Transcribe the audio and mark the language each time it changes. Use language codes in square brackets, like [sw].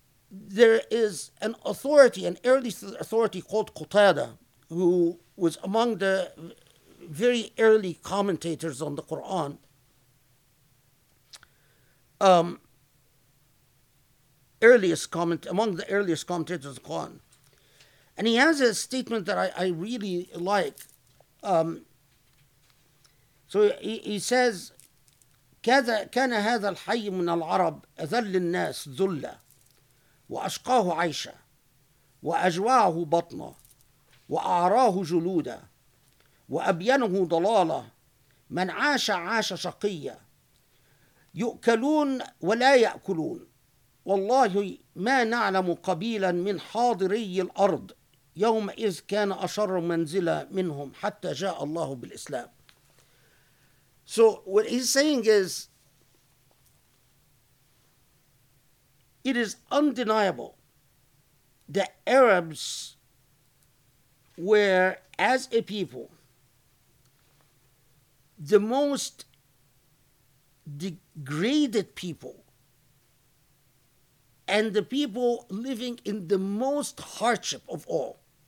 [en] There is an authority, an early authority called Qutada, who was among the very early commentators on the Quran. Among the earliest commentators of the Quran. And he has a statement that I really like. So he says, [ar] كذا كان هذا الحي من العرب أذل الناس ذلا وأشقاه عيشا وأجواه بطنا وأعراه جلودا وأبينه ضلالا من عاش عاش شقيا يؤكلون ولا يأكلون والله ما نعلم قبيلا من حاضري الأرض يومئذ كان أشر منزلا منهم حتى جاء الله بالإسلام. [en] So what he's saying is, it is undeniable that Arabs were, as a people, the most degraded people and the people living in the most hardship of all.